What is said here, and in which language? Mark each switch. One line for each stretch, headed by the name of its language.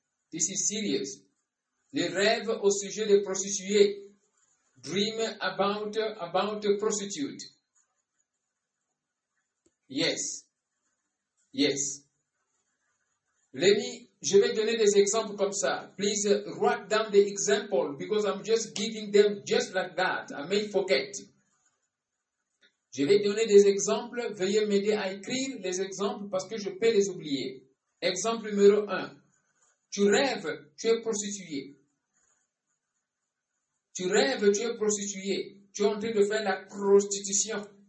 English: This is serious.
French: Les rêves au sujet des prostituées.
English: Dream about a prostitute. Yes. Yes.
French: Lenny, je vais donner des exemples comme ça.
English: Please write down the example because I'm just giving them just like that. I may forget.
French: Je vais donner des exemples. Veuillez m'aider à écrire les exemples parce que je peux les oublier. Exemple numéro 1. Tu rêves, tu es prostitué. Tu rêves, tu es prostitué. Tu es en train de faire la prostitution.